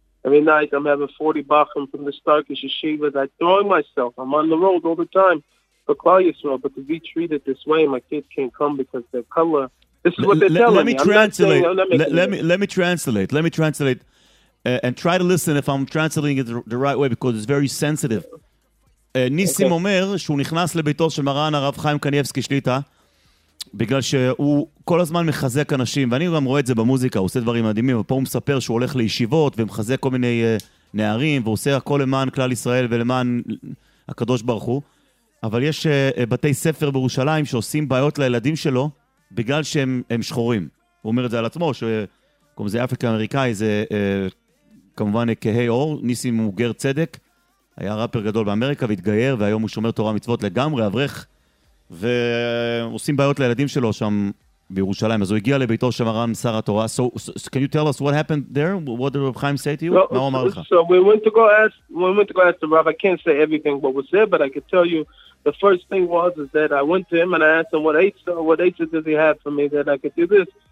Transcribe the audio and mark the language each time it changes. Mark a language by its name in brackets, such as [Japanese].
[English] Every night I'm having 40 bachim from the Starkish Yeshivas. I'm throwing myself. I'm on the road all the time for Klal Yisrael. But to be treated this way, my kids can't come because their color. This is what they're telling me. Let me translate. And try to listen if I'm translating it the right way because it's very sensitive. [Hebrew] ניסים אומר שהוא נכנס לביתו של מרן הרב חיים קניאבסקי שליטה בגלל שהוא כל הזמן מחזק אנשים, ואני גם רואה את זה במוזיקה, הוא עושה דברים מדהימים, ופה הוא מספר שהוא הולך לישיבות ומחזק כל מיני נערים, והוא עושה הכל למען כלל ישראל ולמען הקדוש ברוך הוא. אבל יש בתי ספר בירושלים שעושים בעיות לילדים שלו בגלל שהם שחורים. הוא אומר את זה על עצמו, שכמו זה אפריקה אמריקאי, זה כמובן כהי אור. ניסים הוא גר צדק, היה ראפר גדול באמריקה והתגייר, והיום הוא שומר תורה מצוות לגמרי, אברך, ועושים בעיות לילדים שלו שם בירושלים. אז הוא הגיע לביתו של מרן שר התורה. [English] So can you tell us what happened there? What did Rav Chaim say to you? No, so we went to go ask the Rav. I can't say everything what was there, but I could tell you the first thing was is that I went to him and I asked him what Eitzah does he have for me that I could do this.